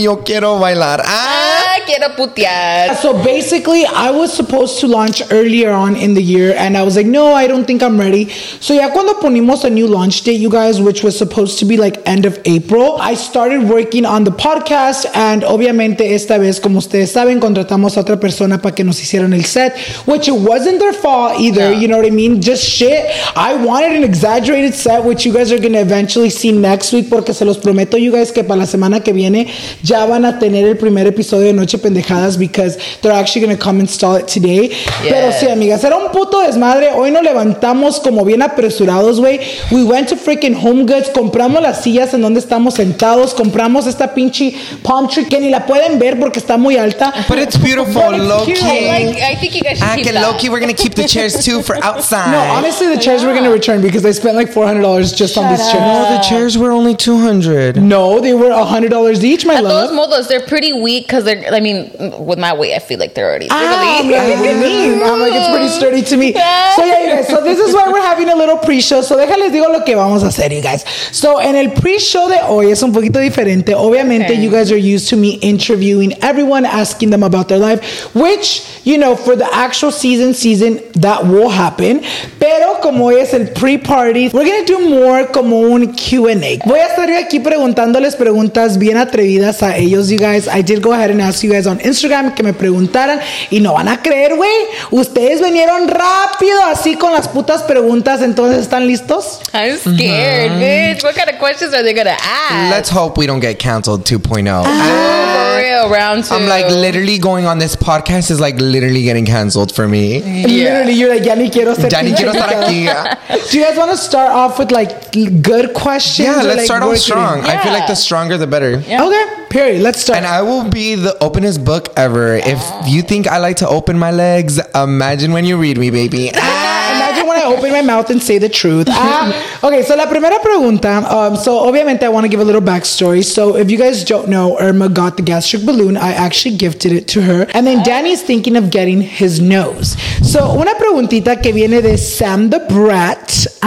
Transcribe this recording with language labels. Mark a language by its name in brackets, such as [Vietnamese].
[Spanish] Yo quiero bailar. Quiero putear. [English] So basically, I was supposed to launch earlier on in the year. And I was like, no, I don't think I'm ready. So [Spanish] ya cuando ponimos a [English] new launch date, you guys, which was supposed to be like end of April, I started working on the podcast. [Spanish] And obviamente esta vez, como ustedes saben, contratamos a otra persona para que nos hicieran el set. [English] Which it wasn't their fault either. Yeah. You know what I mean? Just shit. I wanted an exaggerated set, which you guys are going to eventually see next week, [Spanish] porque se los prometo, [English] you guys, [Spanish] que para la semana que viene ya van a tener el primer episodio de Noche Pendejadas, [English] because they're actually gonna come install it today. Yes. [Spanish] Pero sí, amigas, era un puto desmadre. Hoy nos levantamos como bien apresurados, güey. [English] We went to freaking Home Goods, [Spanish] compramos las sillas en donde estamos sentados, compramos esta pinche palm tree que ni la pueden ver porque está muy alta. [English] But it's beautiful, but it's low-key. I think you guys should keep that. Low-key, we're gonna keep the chairs too for outside. No, honestly, the chairs we're gonna return because I spent like $400 just on this chair. Chairs were only $200. No, they were $100 each, my love. Those modos, they're pretty weak because they're, I mean, mean, with my weight, I feel like they're already I'm like, it's pretty sturdy to me. So yeah, you guys, so this is why we're having a little pre-show. [Spanish] So déjales digo lo que vamos a hacer, you guys. So en el pre-show de hoy es un poquito diferente. [English] Obviamente, okay, you guys are used to me interviewing everyone, asking them about their life, which, you know, for the actual season, that will happen. [Spanish] Pero como hoy es el pre-party, [English] we're going to do more [Spanish] como un Q&A. Voy a estar aquí preguntándoles preguntas bien atrevidas a ellos, you guys. [English] I did go ahead and ask you guys on Instagram [Spanish] que me preguntaran. Y no van a creer, güey. Ustedes vinieron rápido así con las putas preguntas. Entonces, ¿están listos? [English] I'm scared, bitch. What kind of questions are they going to ask? Let's hope we don't get canceled 2.0. For real, round two. I'm like, literally going on this podcast is like literally getting canceled for me. Yeah. Literally, you're like, [Spanish] ya ni quiero ser. Ya ni quiero estar aquí. [English] Do you guys want to start off with like good questions? Yeah, let's start off strong. Yeah. I feel like the stronger, the better. Yeah. Okay, period. Let's start. And I will be the openest book ever. Yeah. If you think I like to open my legs, imagine when you read me, baby. Open my mouth and say the truth. [Spanish] Okay, so la primera pregunta. [English] So obviamente I want to give a little backstory. So if you guys don't know, Irma got the gastric balloon. I actually gifted it to her. And then Danny's thinking of getting his nose. [Spanish] So una preguntita que viene de Sam the Brat.